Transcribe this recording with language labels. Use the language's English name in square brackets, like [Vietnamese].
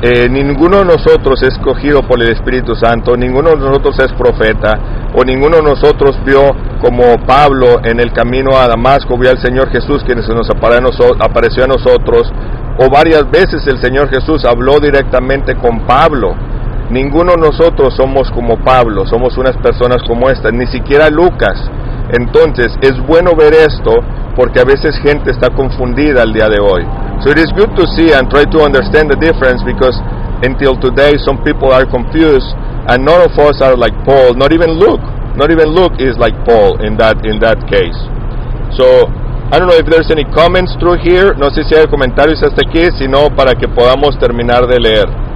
[Spanish] Ninguno de nosotros es escogido por el Espíritu Santo, ninguno de nosotros es profeta, o ninguno de nosotros vio como Pablo en el camino a Damasco, vio al Señor Jesús quien se nos apareció a nosotros, o varias veces el Señor Jesús habló directamente con Pablo. Ninguno de nosotros somos como Pablo, somos unas personas como estas, ni siquiera Lucas. Entonces, es bueno ver esto, porque a veces gente está confundida al día de hoy. [English] So it is good to see and try to understand the difference, because until today some people are confused, and none of us are like Paul, not even Luke. Not even Luke is like Paul in that case. So, I don't know if there's any comments through here. [Spanish] No sé si hay comentarios hasta aquí, sino para que podamos terminar de leer.